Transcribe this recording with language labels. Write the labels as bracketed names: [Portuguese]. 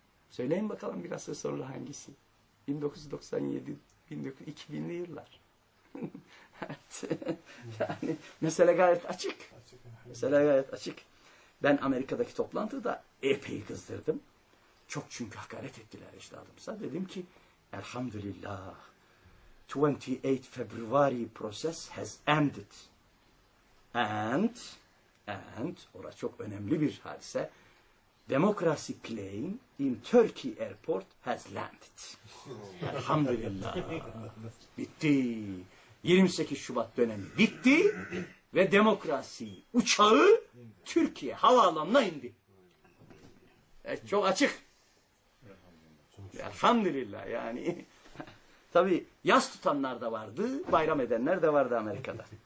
[Turkish] Söyleyin bakalım bir asır sonra hangisi? 1997, 2000'li yıllar. Evet. Yani mesele gayet açık. Mesele gayet açık. Ben Amerika'daki toplantıda epey kızdırdım. Çok çünkü hakaret ettiler ecdadımıza. Dedim ki elhamdülillah [English] 28 February process has ended. [Turkish] And orası çok önemli bir hadise. [English] Democracy plane in Turkey airport has landed. [Turkish] Elhamdülillah. Bitti. 28 Şubat dönemi bitti ve demokrasi uçağı Türkiye havaalanına indi. Evet, çok açık. Elhamdülillah yani. Tabii yas tutanlar da vardı, bayram edenler de vardı Amerika'da.